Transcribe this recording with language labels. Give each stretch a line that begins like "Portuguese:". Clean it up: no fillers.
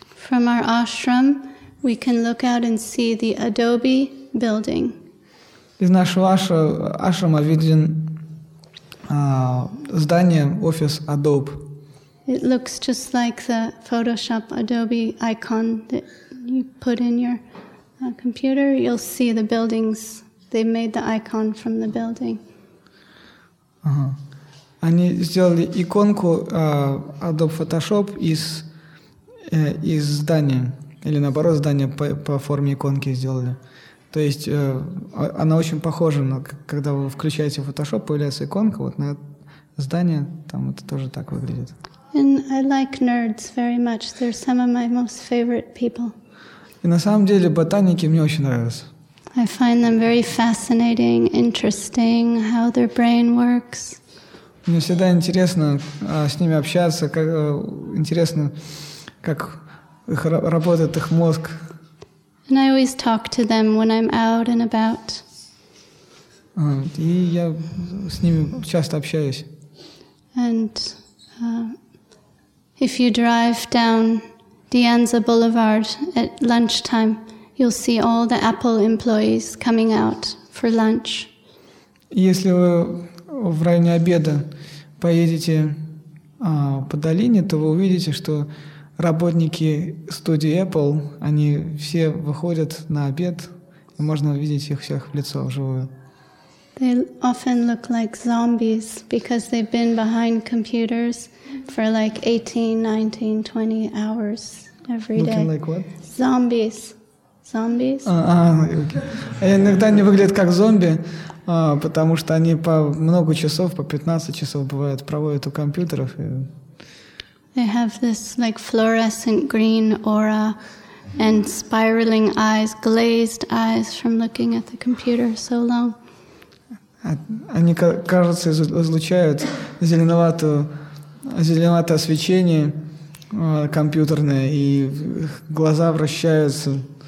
English: From our ashram, we can look out and see the Adobe building.
Russian: Из нашего ашрама виден здание, офис Adobe.
English: It looks just like the Photoshop Adobe icon that you put in your computer. You'll see the buildings. They made the icon from the building.
Russian: Они сделали иконку Adobe Photoshop из здания. Или наоборот, здание по форме иконки сделали. То есть она очень похожа, но когда вы включаете Photoshop, появляется иконка, вот на здание, там это тоже так выглядит.
English: And I like nerds very much. They're some of my most favorite people.
Russian: И на самом деле ботаники мне очень нравятся.
English: I find them very fascinating, interesting, how their brain works.
Russian: Мне всегда интересно с ними общаться, интересно, как их работает их мозг.
English: And I always talk to them when I'm out and about.
Russian: И я с ними часто общаюсь.
English: And if you drive down De Anza Boulevard at lunchtime, you'll see all the Apple employees coming out for lunch.
Russian: Если вы в районе обеда поедете по долине, то вы увидите, что работники студии Apple, они все выходят на обед, и можно увидеть их всех в лицо вживую.
English: They often look like zombies because they've been behind computers for 18, 19, 20 hours every day. Looking like what? Zombies. Zombies?
Russian: Иногда они выглядят как зомби, потому что они по много часов, по 15 часов бывают, проводят у компьютеров.
English: They have this fluorescent green aura and spiraling eyes, glazed eyes from looking at the computer so long.
Russian: Они, кажется, излучают зеленоватое освещение компьютерное, и глаза вращаются.